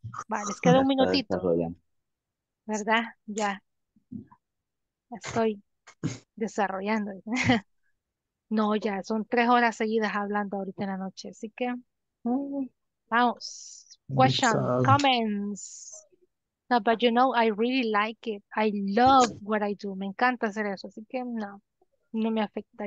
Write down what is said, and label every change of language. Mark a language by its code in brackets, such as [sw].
[es] Vale, les queda un minutito. ¿Verdad? Ya. Estoy desarrollando. No, ya, son 3 horas seguidas hablando ahorita en la noche, así que vamos. [en] Questions, comments. No, but you know, I really like it. I love what I do. [es] Me encanta hacer eso, así que no, no me afecta.